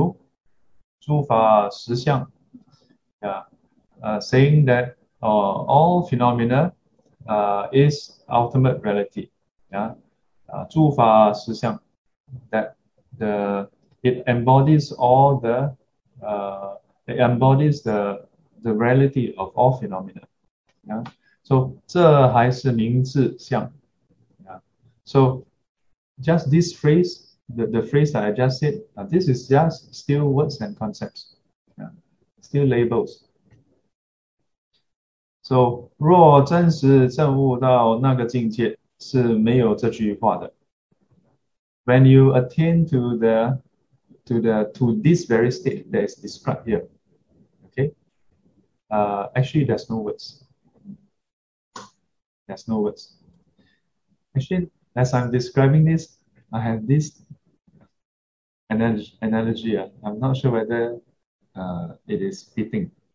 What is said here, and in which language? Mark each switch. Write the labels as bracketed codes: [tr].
[zh] 说一切法都是真如诸法实相, [en] yeah, saying that all phenomena is ultimate reality, yeah, [zh] 诸法实相, [en] that the it embodies all the it embodies the reality of all phenomena, yeah. [zh] So 这还是名字相, yeah. [en] So just this phrase, the phrase that I just said, this is just still words and concepts, yeah, still labels. [zh] So 若真实证悟到那个境界是没有这句话的. [en] When you attain to this very state that is described here, okay, actually there's no words. There's no words. Actually, as I'm describing this, I have this analogy, I'm not sure whether it is fitting.